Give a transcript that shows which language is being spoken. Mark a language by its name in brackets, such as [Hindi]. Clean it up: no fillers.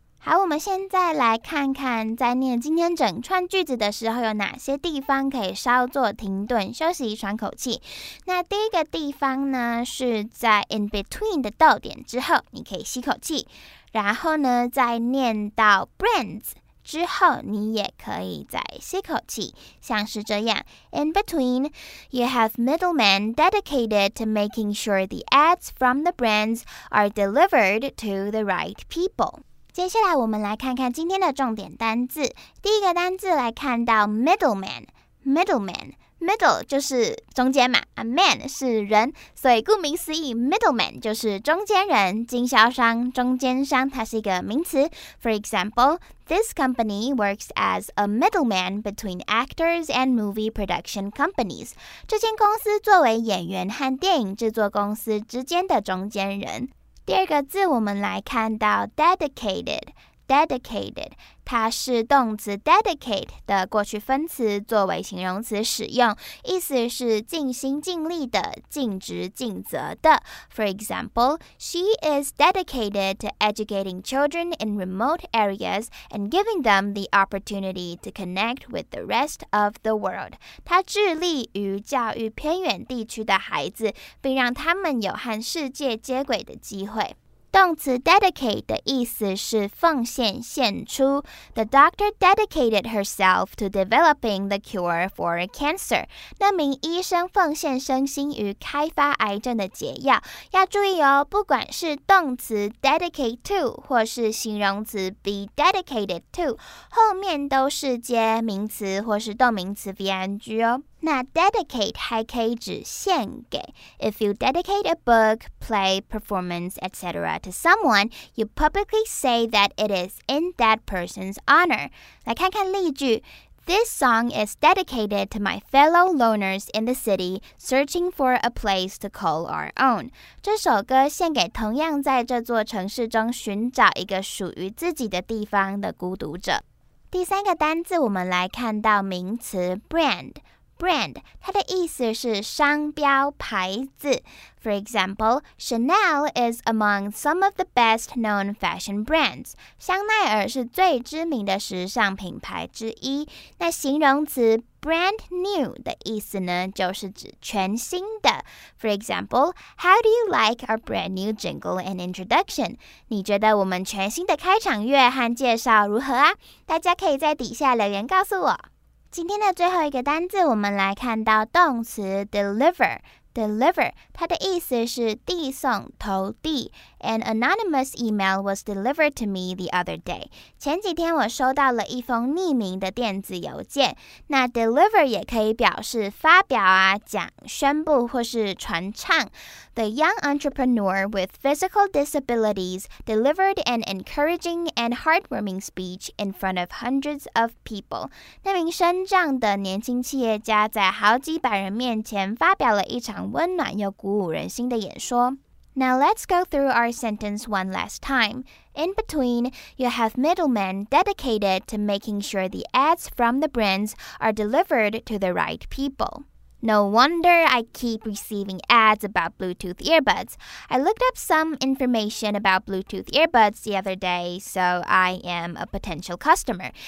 [Chinese] 好，我们现在来看看，在念今天整串句子的时候，有哪些地方可以稍作停顿，休息喘口气。那第一个地方呢，是在 [English] in between [Chinese] 的逗点之后，你可以吸口气，然后呢，再念到 brands。之后你也可以再吸口气，像是这样。 [English] In between, you have middlemen dedicated to making sure the ads from the brands are delivered to the right people. [Chinese] 接下来我们来看看今天的重点单字。第一个单字来看到 middleman。Middle 就是中间嘛， man 是人，所以顾名思义 middleman 就是中间人、经销商、中间商，它是一个名词。 [English] For example, this company works as a middleman between actors and movie production companies. [Chinese] 这间公司作为演员和电影制作公司之间的中间人。第二个字我们来看到 dedicated， 它是动词 dedicate 的过去分词，作为形容词使用，意思是尽心尽力的、尽职尽责的。 [English] For example, she is dedicated to educating children in remote areas and giving them the opportunity to connect with the rest of the world. [Chinese] 她致力于教育偏远地区的孩子，并让他们有和世界接轨的机会。动词 dedicate 的意思是奉献、献出。 [English] The doctor dedicated herself to developing the cure for cancer. [Chinese] 那名医生奉献身心于开发癌症的解药。要注意哦，不管是动词 [English] dedicate to [Chinese] 或是形容词 [English] be dedicated to， [Chinese] 后面都是接名词或是动名词 VNG 哦。那 dedicate 还可以指献给。 [English] If you dedicate a book, play, performance, etc. to someone, you publicly say that it is in that person's honor. [Chinese] 来看看例句。 [English] This song is dedicated to my fellow loners in the city searching for a place to call our own. [Chinese] 这首歌献给同样在这座城市中寻找一个属于自己的地方的孤独者。第三个单字我们来看到名词 brand。 Brand， 它的意思是商标、牌子。 [English] For example, Chanel is among some of the best-known fashion brands. [Chinese] 香奈儿是最知名的时尚品牌之一。那形容词 [English] brand new [Chinese] 的意思呢，就是指全新的。 [English] For example, How do you like our brand new jingle and introduction? [Chinese] 你觉得我们全新的开场乐和介绍如何啊？大家可以在底下留言告诉我。今天的最后一个单字，我们来看到动词 deliver。 deliver, 它的意思是递送、投递。 [English] An anonymous email was delivered to me the other day. [Chinese] 前几天我收到了一封匿名的电子邮件。那 deliver 也可以表示发表啊、讲、宣布或是传唱。 [English] The young entrepreneur with physical disabilities delivered an encouraging and heartwarming speech in front of hundreds of people. [Chinese] 那名身障的年轻企业家在好几百人面前发表了一场温暖又鼓舞人心的演说。 [English] Now let's go through our sentence one last time. In between, you have middlemen dedicated to making sure the ads from the brands are delivered to the right people. No wonder I keep receiving ads about Bluetooth earbuds. I looked up some information about Bluetooth earbuds the other day, so I am a potential customer.